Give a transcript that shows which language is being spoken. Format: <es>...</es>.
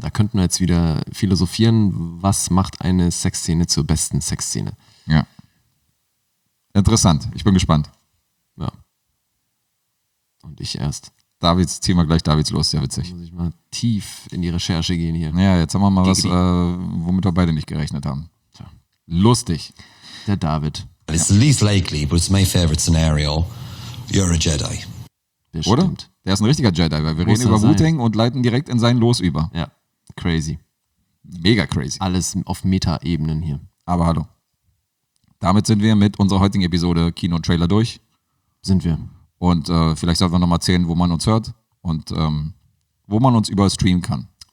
<de>Da könnten wir jetzt wieder philosophieren, was macht eine Sexszene zur besten Sexszene. Ja. Interessant. Ich bin gespannt. Ja. Und ich erst. Davids, ziehen wir gleich Davids los, sehr witzig. Muss ich mal tief in die Recherche gehen hier. Ja, jetzt haben wir mal was, womit wir beide nicht gerechnet haben. Tja. Lustig. Der David.</de> <en>It's least likely, but it's my favorite scenario. You're a Jedi.</en> <de>Bestimmt. Oder? Der ist ein richtiger Jedi, weil wir reden über Wu-Tang und leiten direkt in sein Los über. Ja, crazy. Mega crazy. Alles auf Meta-Ebenen hier. Aber hallo. Damit sind wir mit unserer heutigen Episode Kino und Trailer durch. Sind wir. Und vielleicht sollten wir nochmal erzählen, wo man uns hört und wo man uns überall streamen kann.</de>